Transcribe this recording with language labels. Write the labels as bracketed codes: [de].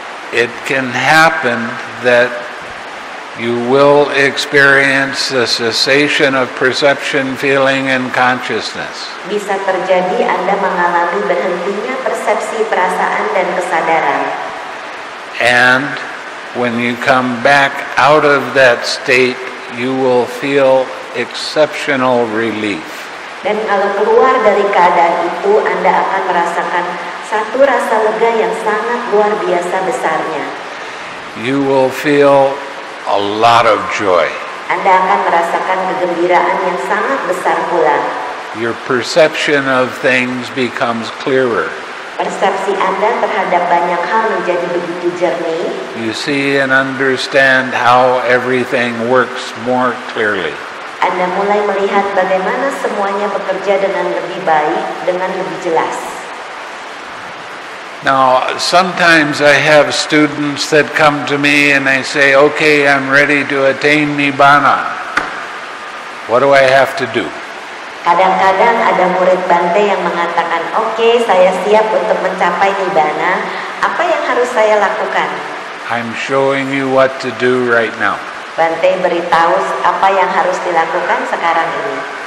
[en] It can happen that you will experience the cessation of perception, feeling, and consciousness. [id] Bisa terjadi Anda mengalami berhentinya persepsi, perasaan, dan kesadaran. [en] And when you come back out of that state, you will feel exceptional relief. [id] Dan kalau keluar dari keadaan itu, Anda akan merasakan satu rasa lega yang sangat luar biasa besarnya. [en] You will feel a lot of joy. [id] Anda akan merasakan kegembiraan yang sangat besar pula. [en] Your perception of things becomes clearer. [id] Persepsi Anda terhadap banyak hal menjadi begitu jernih. [en] You see and understand how everything works more clearly. [id] Anda mulai melihat bagaimana semuanya bekerja dengan lebih baik, dengan lebih jelas. [en] Now, sometimes I have students that come to me and they say, okay, I'm ready to attain Nibbana. What do I have to do? [id] Kadang-kadang ada murid Bhante yang mengatakan, okay, saya siap untuk mencapai Nibbana. Apa yang harus saya lakukan? [en] I'm showing you what to do right now. [id] Bhante beritahu apa yang harus dilakukan sekarang ini.